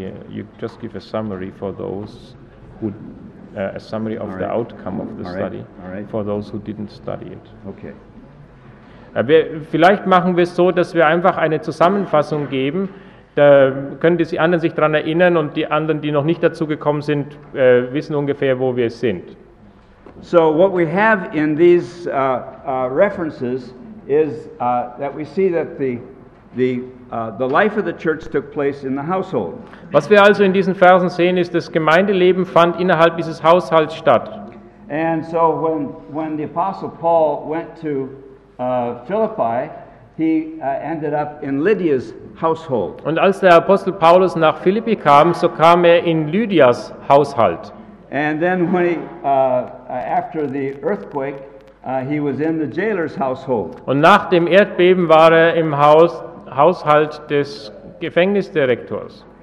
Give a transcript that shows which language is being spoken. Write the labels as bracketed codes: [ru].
[en] You just give a summary for those who a summary of the outcome of the study for those who didn't study it. Okay. [de] Vielleicht machen wir es so, dass wir einfach eine Zusammenfassung geben. Da können die anderen sich dran erinnern und die anderen, die noch nicht dazu gekommen sind, wissen ungefähr, wo wir sind. [en] So what we have in these references is that we see that the life of the church took place in the household. [de] Was wir also in diesen Versen sehen, ist, das Gemeindeleben fand innerhalb dieses Haushalts statt. [en] And so when the apostle Paul went to Philippi, he ended up in Lydia's household. [de] Und als der Apostel Paulus nach Philippi kam, so kam er in Lydias Haushalt. [en] And then when he after the earthquake, he was in the jailer's household. [de] Und nach dem Erdbeben war er im Haushalt des Gefängnisdirektors.